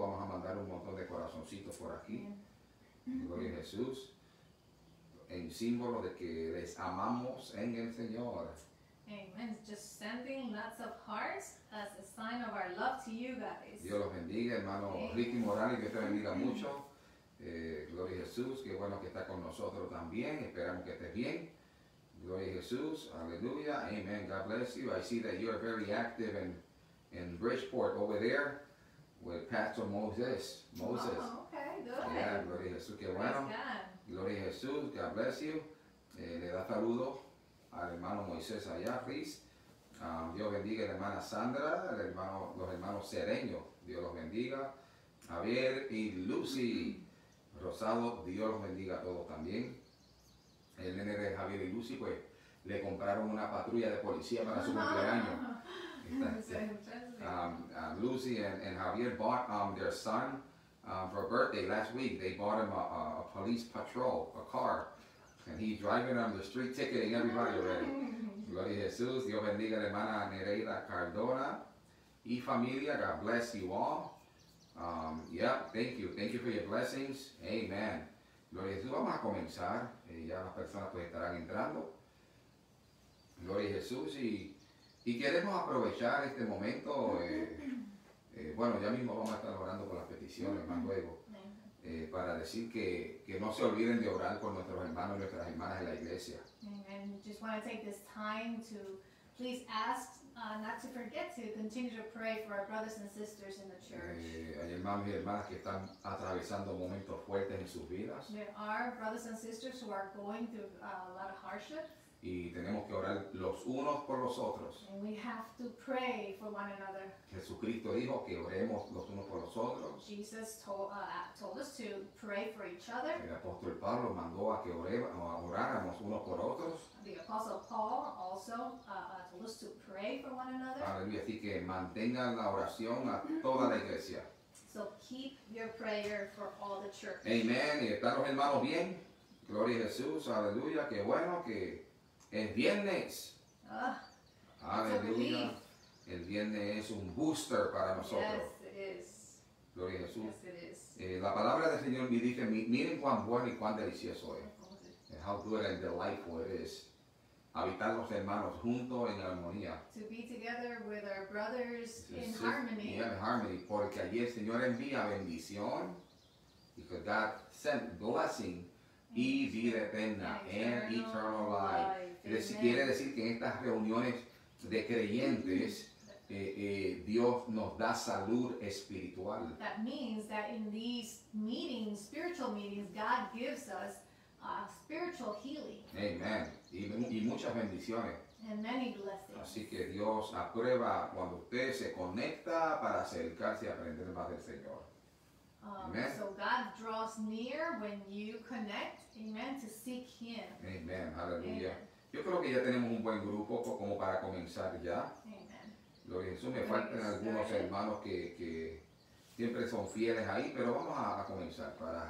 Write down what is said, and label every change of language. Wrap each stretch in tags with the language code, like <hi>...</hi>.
<es>Vamos a mandar un montón de corazoncitos por aquí. Gloria a Jesús. En símbolo de que les amamos en el Señor.</es> <en>Amen. Just sending lots of hearts as a sign of our love to you guys.</en> <es>Dios los bendiga, hermano Ricky Morales. Dios te bendiga mucho. Gloria a Jesús, qué bueno que está con nosotros también. Esperamos que estés bien. Gloria a Jesús, aleluya.</es> <en>Amen, God bless you. I see that you are very active in Bridgeport over there with Pastor Moses. Moses. Oh, okay, good. Yeah,</en> <es>gloria a Jesús, qué bueno. Gloria a Jesús,</es> <en>God bless you.</en> <es>Le da saludo al hermano Moisés allá, Riz. Dios bendiga a la hermana Sandra, los hermanos Cereño. Dios los bendiga. Javier y Lucy. Rosado, Dios los bendiga a todos también. El nene de Javier y Lucy, pues, le compraron una patrulla de policía para su cumpleaños.</es> <en>Lucy and Javier bought their son for a birthday last week. They bought him a police patrol, a car. And he's driving on the street ticketing everybody already.</en> <es>Gloria a Jesús, Dios bendiga a la hermana Nereida Cardona. Y familia,</es> <en>God bless you all. Thank you for your blessings. Amen.</en> <es>Gloria a Jesús, vamos a comenzar. Ya las personas pues estarán entrando. Gloria a Jesús. Y queremos aprovechar este momento. Bueno, ya mismo vamos a estar orando por las peticiones más luego. Para decir que no se olviden de orar por nuestros hermanos y nuestras hermanas en la iglesia.</es> <en>Amen. Just want to take this time to please ask not to forget to continue to pray for our brothers and sisters in the church.</en> <es>Hay hermanos y hermanas que están atravesando momentos fuertes en sus vidas.</es> <en>There are brothers and sisters who are going through a lot of hardships.</en> <es>Y tenemos que orar los unos por los otros.</es> <en>And we have to pray for one another.</en> <es>Jesucristo dijo que oremos los unos por los otros.</es> <en>Jesus told us to pray for each other.</en> <es>El apóstol Pablo mandó a que oráramos unos por otros.</es> <en>The apostle Paul also told us to pray for one another.</en> <es>Aleluya. Así que mantengan la oración a toda la iglesia.</es> <en>So keep your prayer for all the church.</en> <es>Amen. Y están los hermanos bien. Gloria a Jesús. Aleluya. Qué bueno que es viernes. Aleluya. El viernes es un booster para nosotros.</es> <en>Yes, it is.</en> <es>Gloria a Jesús.</es> <en>Yes, it is.</en> <es>La palabra del Señor me dice, miren cuán bueno y cuán delicioso es.</es> <en>And how good and delightful it is.</en> <es>Habitar los hermanos juntos en armonía.</es> <en>To be together with our brothers in harmony. In harmony.</en> <es>Porque allí el Señor envía bendición.</es> <en>Because God sent blessing.</en> <es>Y vida eterna,</es> <en>and eternal life.</en> <es>Quiere decir que en estas reuniones de creyentes, Dios nos da salud espiritual.</es> <en>That means that in these meetings, spiritual meetings, God gives us spiritual healing.</en> <es>Amen. Y muchas bendiciones.</es> <en>And many blessings.</en> <es>Así que Dios aprueba cuando usted se conecta para acercarse y aprender más del Señor.</es> <en>Amen. So God draws near when you connect, amen, to seek Him.</en> <es>Amen, aleluya. Amen. Yo creo que ya tenemos un buen grupo como para comenzar ya.</es> <en>Amen.</en> <es>Gloria a Jesús, me faltan algunos hermanos que siempre son fieles ahí, pero vamos a comenzar para</es>